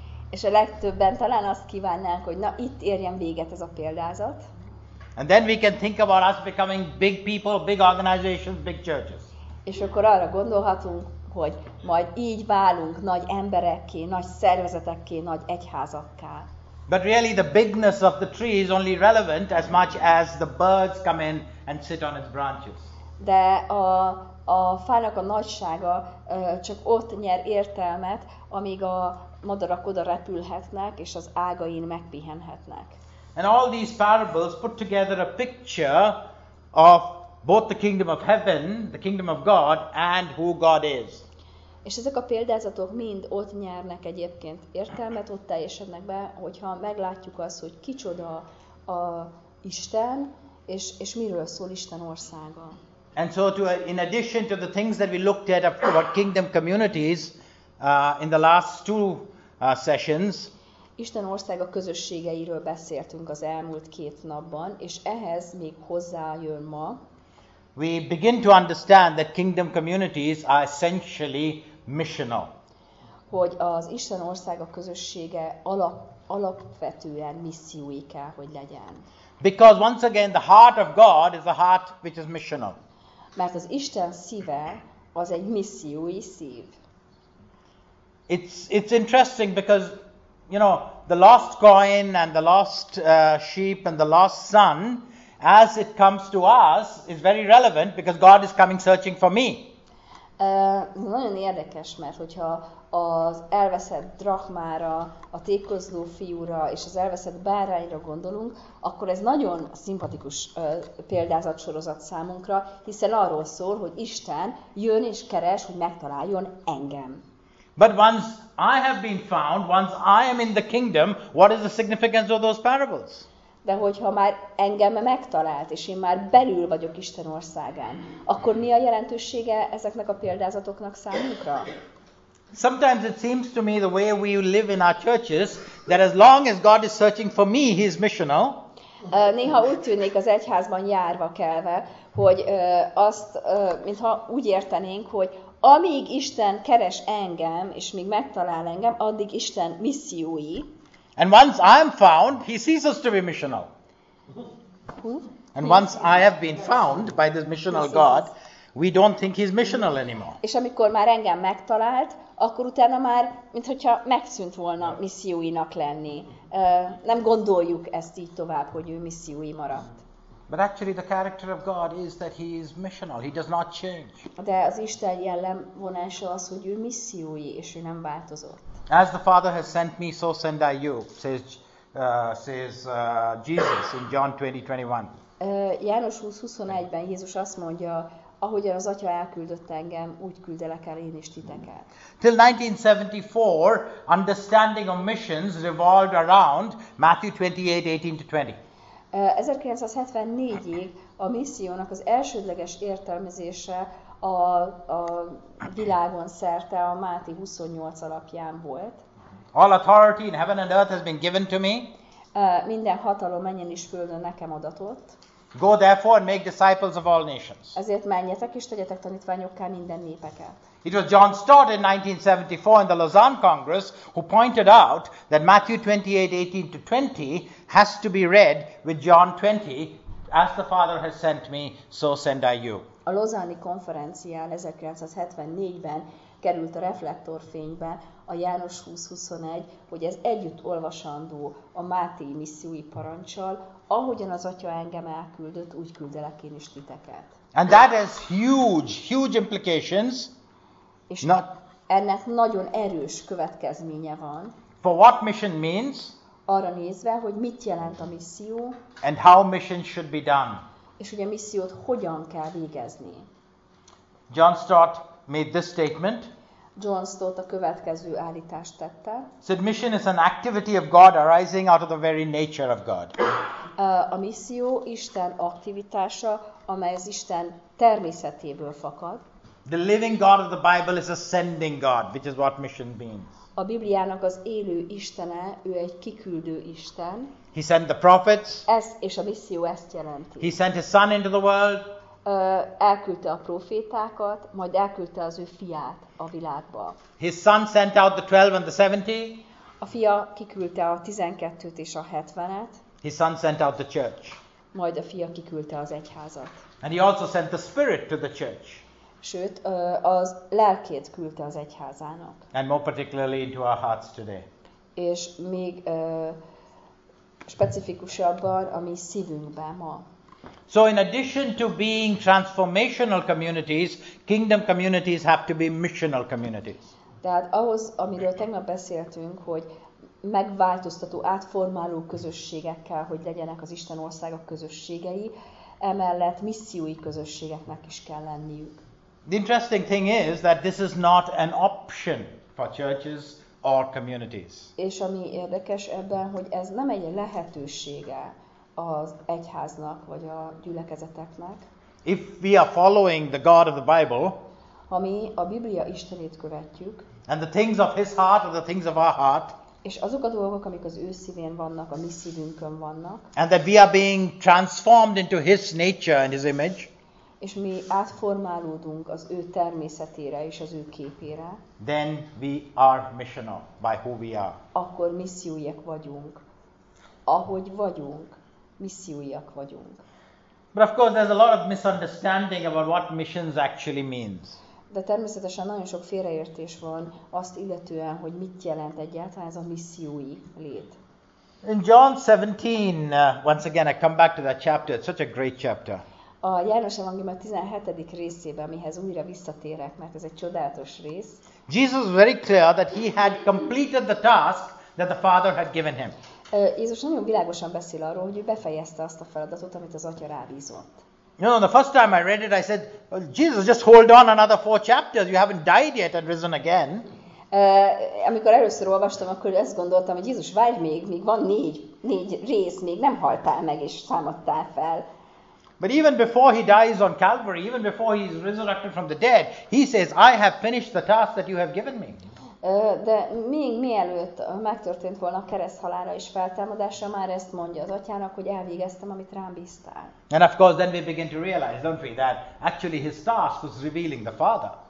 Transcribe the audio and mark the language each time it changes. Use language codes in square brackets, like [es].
[hu] És a legtöbben talán azt kívánnánk, hogy na itt érjen véget ez a példázat. [en] And then we can think about us becoming big people, big organizations, big churches. [hu] És akkor arra gondolhatunk, hogy majd így válunk nagy emberekké, nagy szervezetekké, nagy egyházakká. [en] But really the bigness of the tree is only relevant as much as the birds come in and sit on its branches. [hu] De a fának a nagysága csak ott nyer értelmet, amíg a madarak oda repülhetnek és az ágain megpihenhetnek. [en] And all these parables put together a picture of both the kingdom of heaven, the kingdom of God, and who God is. [hu] És ezek a példázatok mind ott nyernek egyébként értelmet, ott teljesednek be, hogyha meglátjuk azt, hogy kicsoda a Isten, és miről szól Isten országa. [en] And so to, in addition to the things that we looked at about kingdom communities in the last two sessions, [hu] Isten országa közösségeiről beszéltünk az elmúlt két napban, és ehhez még hozzájön ma. [en] We begin to understand that kingdom communities are essentially missional. [hu] Hogy az Isten országa közössége alapvetően missziói kell, hogy legyen. [en] Because once again the heart of God is a heart which is missional. [hu] Mert az Isten szíve az egy missziói szív. [en] It's interesting because, you know, the lost coin and the lost sheep and the lost son, as it comes to us, is very relevant because God is coming searching for me. [hu] Nagyon érdekes, mert hogyha az elveszett drachmára, a tékozló fiúra és az elveszett bárányra gondolunk, akkor ez nagyon szimpatikus példázatsorozat számunkra, hiszen arról szól, hogy Isten jön és keres, hogy megtaláljon engem. [en] But once I have been found, once I am in the kingdom, what is the significance of those parables? [hu] De hogyha már engem megtalált, és én már belül vagyok Isten országán, akkor mi a jelentősége ezeknek a példázatoknak számunkra? [en] Sometimes it seems to me the way we live in our churches, that as long as God is searching for me, he is missional. [hu] Néha úgy tűnik az egyházban járva kelve, hogy azt, mintha úgy értenénk, hogy amíg Isten keres engem, és még megtalál engem, addig Isten missziói. [en] And once I am found, he ceases to be missional. And once I have been found by this missional God, we don't think he's missional anymore. [hu] És amikor már engem megtalált, akkor utána már, mintha megszűnt volna misszióinak lenni. Nem gondoljuk ezt így tovább, hogy ő missziói maradt. [en] But actually the character of God is that he is missional. He does not change. [hu] De az Isten jellemvonása az, hogy ő missziói, és ő nem változott. [en] As the Father has sent me, so send I you, says Jesus in John 20:21. [hu] János 20:21-ben Jézus azt mondja, ahogyan az Atya elküldött engem, úgy küldelek el én is titeket. [en] Till 1974, understanding of missions revolved around Matthew 28:18-20. [hu] 1974-ig a missziónak az elsődleges értelmezése a világon szerte a Máté 28 alapján volt. [en] All authority in heaven and earth has been given to me. [hu] Minden hatalom mennyen is földön nekem adatott. [en] Go therefore and make disciples of all nations. [hu] Ezért menjetek és tegyetek tanítványokká minden népeket. [en] It was John Stott in 1974 in the Lausanne Congress who pointed out that Matthew 28:18-20 has to be read with John 20, as the Father has sent me, so send I you. [hu] A lausanne-i konferencián 1974-ben került a reflektorfénybe a János 20:21, hogy ez együtt olvasandó a Máté missziói parancsal, ahogyan az Atya engem elküldött, úgy küldelek én is titeket. [en] And that has huge, huge implications. [hu] És not ennek nagyon erős következménye van. [en] For what mission means? [hu] Arra nézve, hogy mit jelent a misszió. [en] And how mission should be done. [hu] És hogy a missziót hogyan kell végezni. [en] John Stott made this statement. [hu] John Stott a következő állítást tette. [en] Submission is an activity of God arising out of the very nature of God. [hu] A misszió Isten aktivitása, amely az Isten természetéből fakad. [en] The living God of the Bible is a sending God, which is what mission means. [hu] A Bibliának az élő Istene, ő egy kiküldő Isten. [en] He sent the prophets. [hu] Ez és a misszió ezt jelenti. [en] He sent his son into the world. [hu] Elküldte a prófétákat, majd elküldte az ő fiát a világba. [en] His son sent out the 12 and the 70. [hu] A fia kiküldte a 12-t és a 70-et. [en] His son sent out the church. [hu] Majd a fia kiküldte az egyházat. [en] And he also sent the spirit to the church. [hu] Sőt, az lelkét küldte az egyházának. [en] And more particularly into our hearts today. [hu] És még specifikusabban a mi szívünkbe ma. [en] So in addition to being transformational communities, kingdom communities have to be missional communities. [hu] Tehát ahhoz, amiről tegnap beszéltünk, hogy megváltoztató, átformáló közösségekkel, hogy legyenek az Isten országa közösségei, emellett missziói közösségeknek is kell lenniük. [en] The interesting thing is that this is not an option for churches or communities. [hu] És ami érdekes ebben, hogy ez nem egy lehetősége az egyháznak vagy a gyülekezeteknek. [en] If we are following the God of the Bible, [hu] ha mi a Biblia Istenét követjük, [en] and the things of his heart are the things of our heart, [hu] és azok a dolgok, amik az ő szívén vannak, a mi szívünkön vannak, [en] and that we are being transformed into his nature and his image, [hu] és mi átformálódunk az ő természetére és az ő képére, [en] then we are missional by who we are. [hu] Akkor missziójak vagyunk. Ahogy vagyunk, missziójak vagyunk. [en] But of course there's a lot of misunderstanding about what missions actually means. [hu] De természetesen nagyon sok félreértés van azt illetően, hogy mit jelent egyáltalán ez a missziói lét. [en] In John 17, once again I come back to that chapter, it's such a great chapter. [hu] A János evangélium 17. részében, amihez újra visszatérek, mert ez egy csodálatos rész. [en] Jesus was very clear that he had completed the task that the Father had given him. [hu] Jézus nagyon világosan beszél arról, hogy ő befejezte azt a feladatot, amit az Atya rábízott. [en] You know, the first time I read it, I said, well, Jesus, just hold on another 4 chapters. You haven't died yet and risen again. [hu] Amikor először olvastam, akkor ezt gondoltam, hogy Jézus, várj még, még van négy rész, még nem haltál meg és támadtál fel. [en] But even before he dies on Calvary, even before he is resurrected from the dead, he says, I have finished the task that you have given me. [hu] De még mielőtt megtörtént volna a kereszthalála és feltámadása, már ezt mondja az Atyának, hogy elvégeztem, amit rám bíztál. [en] And of course then we begin to realize, don't we, that actually his task was revealing the Father.